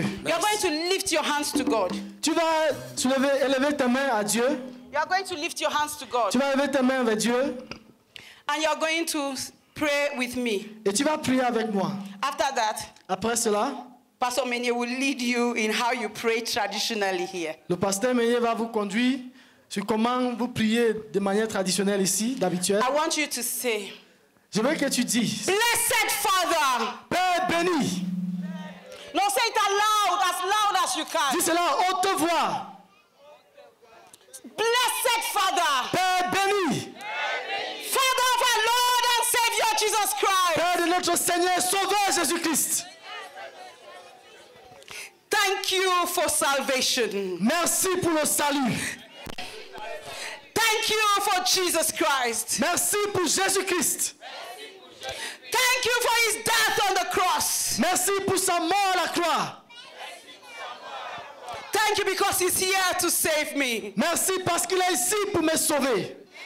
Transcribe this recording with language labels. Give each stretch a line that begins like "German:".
English: You are going to lift your hands to God.
French: Tu vas soulever, élever tes mains à Dieu.
English: You are going to lift your hands to God.
French: Tu vas élever tes mains vers Dieu.
English: And you are going to pray with me.
French: Et tu vas prier avec moi.
English: After that,
French: après cela,
English: Pastor Meunier will lead you in how you pray traditionally here.
French: Le pasteur Meunier va vous conduire. Sur comment vous priez de manière traditionnelle ici, d'habitude.
English: I want you to say,
French: je veux que tu dises.
English: Blessed Father.
French: Père béni.
English: No, say it loud as you can.
French: Dis cela en haute voix.
English: Blessed Father.
French: Père béni.
English: Father of our Lord and Savior Jesus Christ.
French: Père de notre Seigneur Sauveur Jésus Christ.
English: Thank you for salvation.
French: Merci pour le salut.
English: Thank you for Jesus Christ.
French: Merci pour Jésus Christ.
English: Thank you for his death on the cross.
French: Merci pour sa mort à la croix.
English: Thank you because he's here to save me.
French: Merci parce qu'il est ici pour me sauver.